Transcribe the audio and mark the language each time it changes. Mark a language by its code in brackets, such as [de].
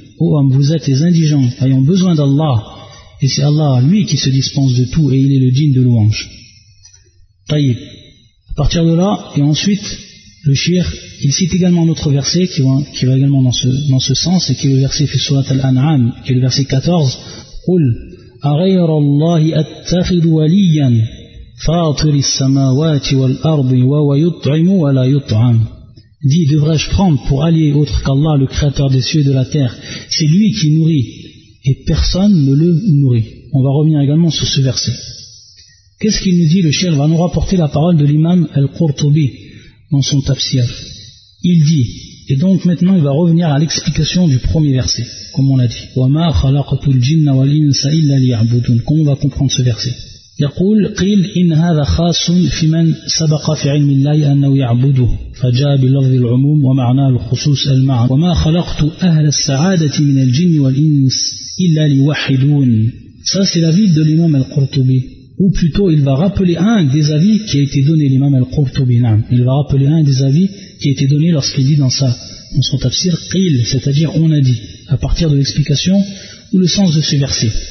[fr] Ô homme, vous êtes les indigents, ayant besoin d'Allah, et c'est Allah, lui, qui se dispense de tout, et il est le digne de louange. Taïb. À partir de là, et ensuite, le shir, il cite également un autre verset qui va également dans ce sens, et qui est le verset fi surat al-An'am, qui est le verset 14. [ar] Qul. أغير الله أتخذ وليا فاطر السماوات والأرض وهو يطعم ولا يطعم. [fr] Dit, devrais-je prendre pour allier autre qu'Allah, le créateur des cieux et de la terre? C'est lui qui nourrit et personne ne le nourrit. On va revenir également sur ce verset. Qu'est-ce qu'il nous dit? Le shaykh va nous rapporter la parole de l'imam Al-Qurtubi dans son tafsir. Il dit, et donc maintenant il va revenir à l'explication du premier verset. Comme on l'a dit, [ar] وَمَا خَلَقَتُ الْجِنَّ وَالْإِنْسَ إِلَّا لِيَعْبُدُونَ. [fr] Comment on va comprendre ce verset? [ar] يقول قيل إن هذا خاص في من سبق في علم الله أنه يعبده فجاء بلفظ العموم ومعنى الخصوص المعنى وما خلقت أهل السعادة من الجن والإنس إلا ليوحدون. [fr] Ça c'est l'avis de l'imam Al-Qurtubi, ou plutôt il va rappeler un des avis qui a été donné l'imam Al-Qurtubi. Non, il va rappeler un des avis qui a été donné lorsqu'il dit dans son tafsir qil, c'est-à-dire on a dit, à partir de l'explication ou le sens de ce verset.